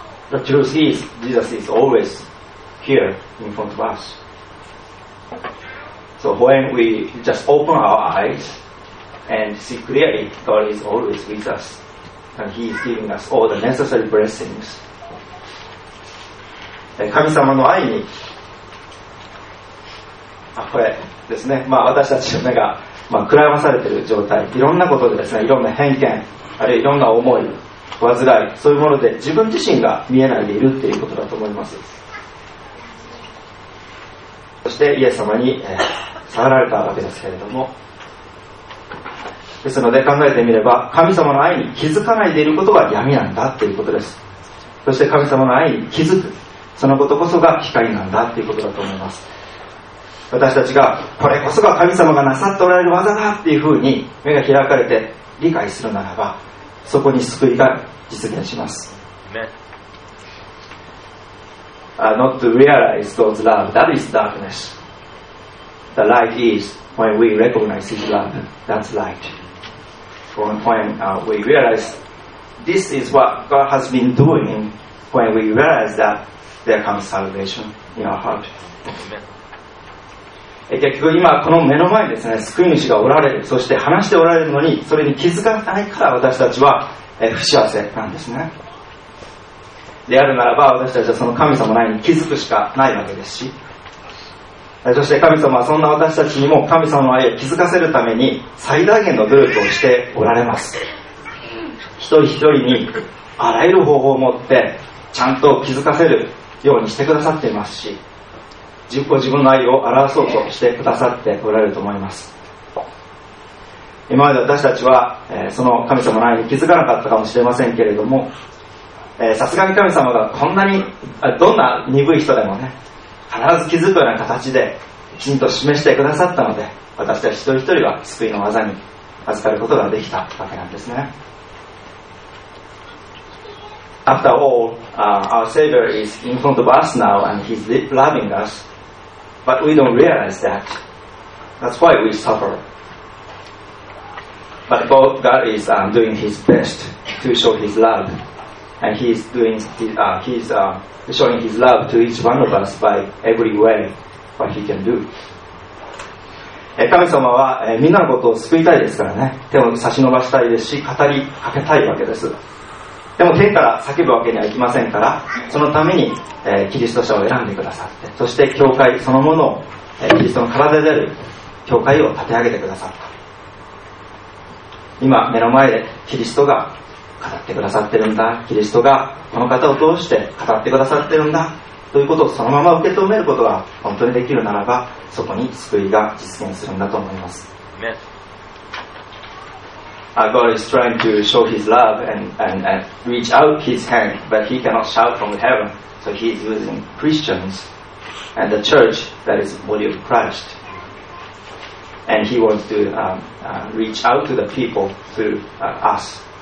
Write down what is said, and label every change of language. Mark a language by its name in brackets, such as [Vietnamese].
[English] The truth is Jesus is always here in front of us. So when we just open our eyes and see clearly, God is always with us and He is giving us all the necessary blessings. [Japanese] 神様の愛に、あ、これですね、まあ、私たちの目が、まあ、暗らされている状態、いろんなことでですね、いろんな偏見、あるいはいろんな思い、患い、そういうもので自分自身が見えないでいるということだと思います。そしてイエス様に触られたわけですけれども、ですので考えてみれば、神様の愛に気づかないでいることが闇なんだということです。そして神様の愛に気づく、そのことこそが光なんだということだと思います。私たちがこれこそが神様がなさっておられる技だっていうふうに目が開かれて理解するならば、そこに救いが実現します。 [English] Not to realize God's love, that is darkness. The light is when we recognize His love, that's light. When we realize this is what God has been doing, when we realize that, there comes salvation in our heart. Amen. [Japanese] 結局今この目の前にですね、救い主がおられる、そして話しておられるのに、それに気づかないから私たちは不幸せなんですね。であるならば、私たちはその神様の愛に気づくしかないわけですし、そして神様はそんな私たちにも神様の愛を気づかせるために最大限の努力をしておられます。一人一人にあらゆる方法を持ってちゃんと気づかせるようにしてくださっていますし、自分の愛を表そうとしてくださっておられると思います。今まで私たちは、その神様の愛に気づかなかったかもしれませんけれども、さすがに神様がこんなにどんな鈍い人でもね、必ず気づくような形できちんと示してくださったので、私たち一人一人は救いの技に預かることができたわけなんですね。 [English] After all, our Savior is in front of us now and He's loving usBut we don't realize that. That's why we suffer. But God is doing His best to show His love. And He is showing His love to each one of us by every way what He can do. [Japanese] 神様はみんなのことを救いたいですからね。手を差し伸ばしたいですし、語りかけたいわけです。でも天から叫ぶわけにはいきませんから、そのためにキリスト者を選んでくださって、そして教会そのものをキリストの体である教会を立て上げてくださった。今目の前でキリストが語ってくださってるんだ、キリストがこの方を通して語ってくださってるんだということをそのまま受け止めることが本当にできるならば、そこに救いが実現するんだと思います。 [English] God is trying to show His love and reach out His hand, but He cannot shout from heaven, so He is using Christians and the church that is body of Christ. And He wants to reach out to the people through us.